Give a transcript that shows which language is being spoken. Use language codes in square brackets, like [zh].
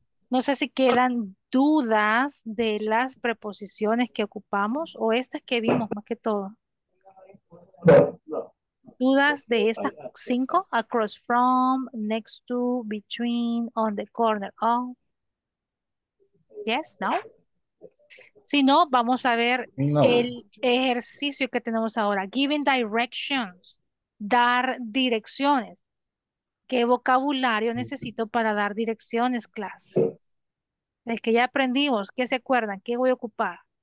[es] No sé si quedan dudas de las preposiciones que ocupamos o estas que vimos más que todo. ¿Dudas de estas cinco? [en] Across from, next to, between, on the corner of. Yes, no. [es] Si no, vamos a ver No. el ejercicio que tenemos ahora, [en] giving directions, [es] dar direcciones. ¿Qué vocabulario necesito para dar direcciones, clase? El que ya aprendimos, ¿qué se acuerdan? ¿Qué voy a ocupar?